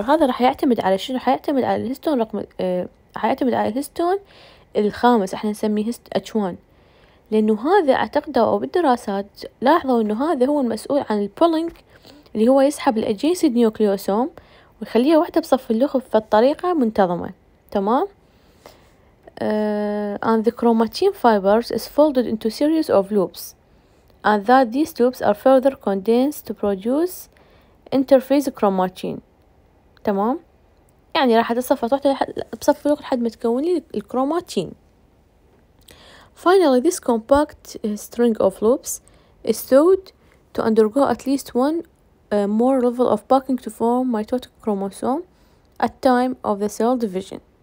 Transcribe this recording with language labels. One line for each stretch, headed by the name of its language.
Arabic: هذا راح يعتمد على شنو؟ حيعتمد على الهيستون رقم حيعتمد على الهيستون الخامس احنا نسميه H1، لانه هذا اعتقدوا او بالدراسات لاحظوا انه هذا هو المسؤول عن البولينج اللي هو يسحب الادجيسد نيوكليوسوم ويخليها واحدة بصف اللخف بطريقة منتظمة. تمام.
English: And the chromatin fibers is folded into series of loops and that these loops are further condensed to produce interface chromatin.
Arabic: تمام. يعني راح اتصفط وحده بصف لوك لحد ما تكون لي الكروماتين.
English: Finally this compact string of loops is thought to undergo at least one more level of packing to form mitotic chromosome at time of the cell division.